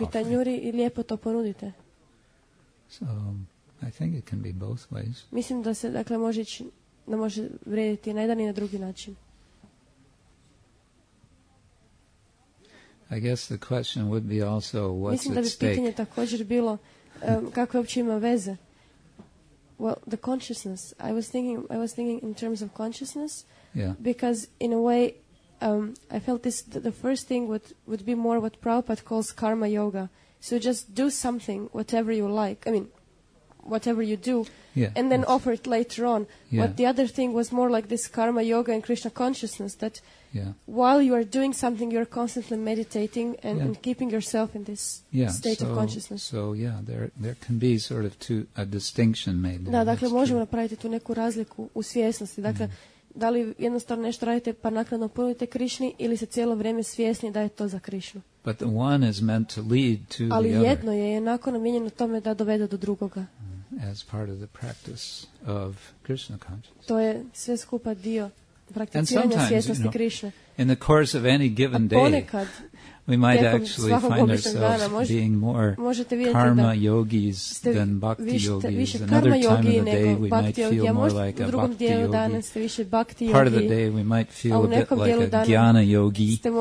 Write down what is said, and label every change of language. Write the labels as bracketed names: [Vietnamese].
[Croatian] Lijepi tanjuri i lijepo to ponudite. [English] So, I think it can be both ways. [Croatian] Mislim da se dakle može vrijediti na jedan i na drugi način. [English] I guess the question would be also what's at stake. [Croatian] Mislim da bi pitanje također bilo kako uopće ima veze. [English] Well, the consciousness. I was thinking in terms of consciousness. Yeah. Because in a way I felt this the first thing would be more what Prabhupada calls karma yoga. So just do something whatever you like. I mean whatever you do, yeah, and then offer it later on. Yeah. But the other thing was more like this karma yoga and Krishna consciousness, that while you are doing something, you're constantly meditating and keeping yourself in this state of consciousness. So, yeah, there can be sort of a distinction made. [Croatian] Da, dakle, možemo napraviti tu neku razliku u svjesnosti. Dakle, da li jednostavno nešto radite pa naknadno punite Krišni ili se cijelo vrijeme svjesni da je to za Krišnu. [English] But the one is meant to lead to [Croatian] Ali [English] the [Croatian] jedno [English] other. [Croatian] Je jednako namijenjeno tome da dovede do drugoga. [English] As part of the practice of Krishna consciousness. [Croatian] To je sve skupa dio prakticiranja svjesnosti Krišne. [English] In the course of any given day, we might actually find ourselves being more karma yogis than bhakti yogis. Another time of the day, we might feel more like a bhakti yogi. Part of the day, we might feel a bit like a jnana yogi.